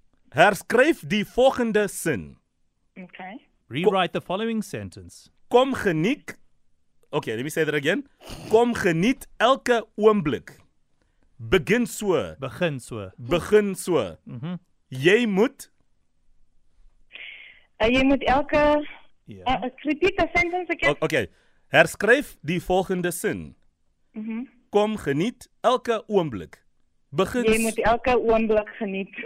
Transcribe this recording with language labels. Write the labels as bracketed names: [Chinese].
[Afrikaans] Herskryf die volgende sin. [English] Okay. Rewrite the following sentence. [Afrikaans] Kom geniet. [English] Okay, let me say that again. [Afrikaans] Kom geniet elke oomblik. Begin so. Mm-hmm. Jy moet elke. [English] Repeat the sentence again. Okay. [Afrikaans] Herskryf die volgende sin. Mm-hmm. Kom geniet elke oomblik. Begin. Jy moet elke oomblik geniet.